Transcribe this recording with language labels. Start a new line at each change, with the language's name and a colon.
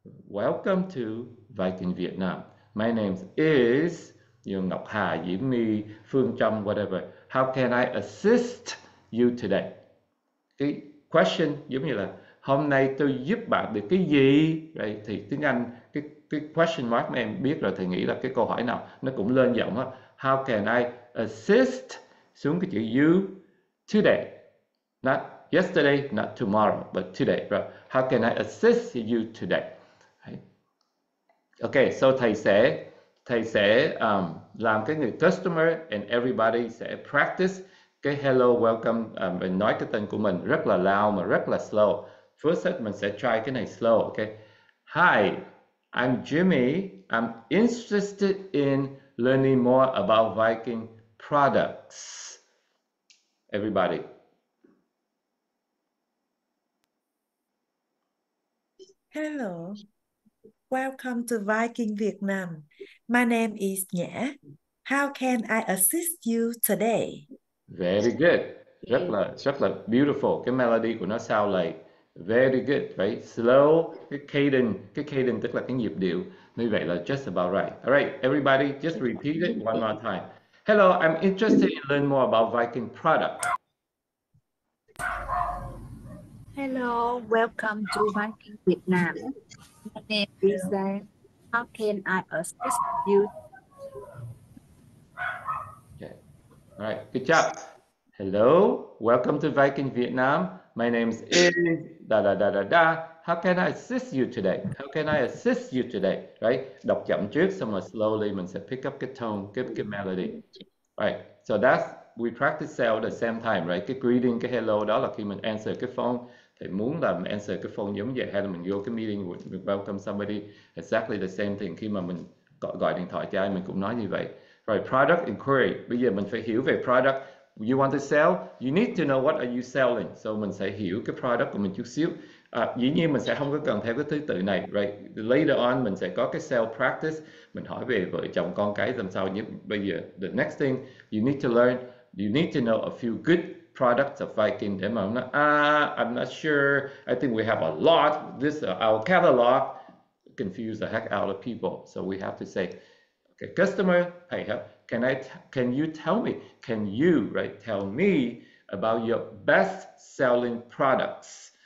English: Welcome to Viking Việt Nam. My name is Dương Ngọc Hà, Diễm My, Phương Trâm, whatever. How can I assist you today?
Vietnamese: Cái question giống như là hôm nay tôi giúp bạn được cái gì? Right. Thì tiếng Anh cái question mark mà em biết rồi, thầy nghĩ là cái câu hỏi nào nó cũng lên giọng á.
English: How can I assist, xuống cái chữ you, today, not yesterday, not tomorrow, but today, right? How can I assist you today?
Vietnamese: Okay, so thầy sẽ làm cái người customer
English: and everybody
Vietnamese: sẽ practice cái hello, welcome, mình nói cái tên của mình rất là loud mà rất là slow.
English: First set
Vietnamese: mình sẽ
English: try cái này slow, okay? Hi, I'm Jimmy. I'm interested in learning more about Viking products. Everybody. Hello. Welcome to Viking Vietnam. My name is Nhã. How can I assist you today? Very good.
Vietnamese: Rất là
English: beautiful.
Vietnamese: Cái melody của nó sao lại very good, right? Slow, cái cadence tức là cái nhịp điệu.
English: Như vậy là just about right. All right, everybody, just repeat it one more time. Hello, I'm interested in learning more about Viking product. Hello, welcome to Viking Vietnam. My name is how can I assist you? Okay, all right, good job. Hello, welcome to Viking Vietnam. My name is da da da da da. How can I assist you today? How can I assist you today? Right?
Vietnamese: Đọc chậm trước, xong rồi
English: slowly mình sẽ pick up cái tone, cái melody. Right. So we practice sound at the same time, right?
Vietnamese: Cái greeting, cái hello đó là khi mình answer cái phone. Thì muốn là mình answer cái phone giống vậy, hay là mình vô cái meeting, mình welcome somebody,
English: exactly the same thing.
Vietnamese: Khi mà mình gọi điện thoại cho ai, mình cũng nói như vậy.
English: Right, product inquiry.
Vietnamese: Bây giờ mình phải hiểu về product.
English: You want to sell? You need to know what are you selling.
Vietnamese: So mình sẽ hiểu cái product của mình chút xíu. Dĩ nhiên mình sẽ không có cần theo cái thứ tự này, right?
English: Later on
Vietnamese: mình sẽ có cái
English: sales practice,
Vietnamese: mình hỏi về vợ chồng con cái làm sao. Nhưng bây giờ
English: the next thing you need to learn, you need to know a few good products of Viking.
Vietnamese: Để mà nói,
English: I'm not sure, I think we have a lot, this our catalog confuse the heck out of people. So we have to say, okay, customer, hey, can you tell me, can you, right, tell me about your best selling products.